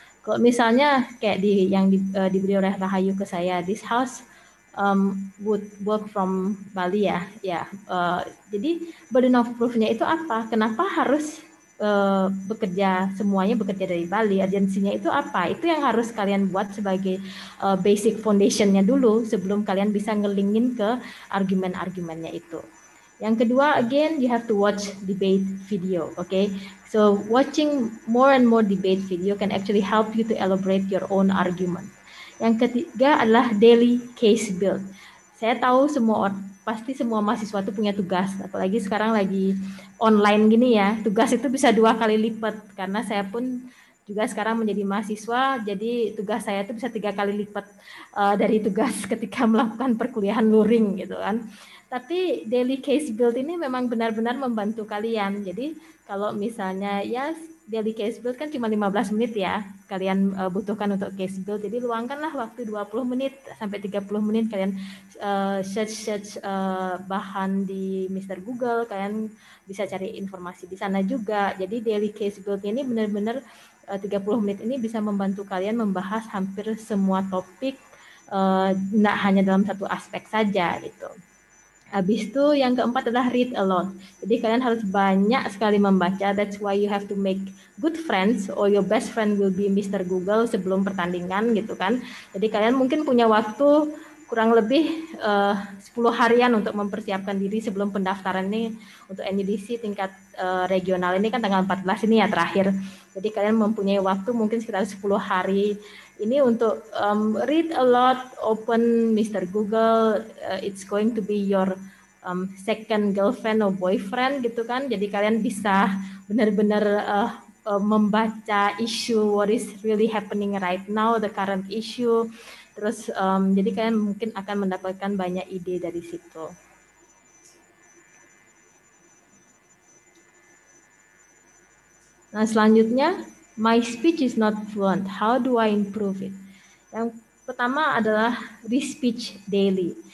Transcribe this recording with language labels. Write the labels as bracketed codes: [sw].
[id] Kalau misalnya kayak diberi oleh Rahayu ke saya, [en] this house would work from Bali [id] ya, jadi burden of proof-nya itu apa? Kenapa harus bekerja dari Bali? Agensinya itu apa? Itu yang harus kalian buat sebagai basic foundation-nya dulu sebelum kalian bisa ngelingin ke argumen-argumennya itu. Yang kedua, [en] again, you have to watch debate video, okay? So, watching more and more debate video can actually help you to elaborate your own argument. [id] Yang ketiga adalah daily case build. Saya tahu semua pasti semua mahasiswa itu punya tugas, apalagi sekarang lagi online gini ya, tugas itu bisa dua kali lipat, karena saya pun juga sekarang menjadi mahasiswa, jadi tugas saya itu bisa tiga kali lipat dari tugas ketika melakukan perkuliahan luring gitu kan. Tapi daily case build ini memang benar-benar membantu kalian. Jadi kalau misalnya ya daily case build kan cuma 15 menit ya kalian butuhkan untuk case build. Jadi luangkanlah waktu 20 menit sampai 30 menit kalian search bahan di Mr. Google. Kalian bisa cari informasi di sana juga. Jadi daily case build ini benar-benar 30 menit ini bisa membantu kalian membahas hampir semua topik, nggak hanya dalam satu aspek saja gitu. Habis itu yang keempat adalah [en] read a lot. [id] Jadi kalian harus banyak sekali membaca. [en] That's why you have to make good friends or your best friend will be Mr. [id] Google sebelum pertandingan gitu kan. Jadi kalian mungkin punya waktu kurang lebih 10 harian untuk mempersiapkan diri sebelum pendaftaran ini untuk NUDC tingkat regional. Ini kan tanggal 14 ini ya terakhir. Jadi kalian mempunyai waktu mungkin sekitar 10 hari ini untuk [en] read a lot, open Mr. Google, it's going to be your second girlfriend or boyfriend [id] gitu kan. Jadi kalian bisa benar-benar membaca issue, [en] what is really happening right now, the current issue. [id] Terus jadi kalian mungkin akan mendapatkan banyak ide dari situ. Nah selanjutnya, [en] my speech is not fluent. How do I improve it? [id] Yang pertama adalah re-speech daily.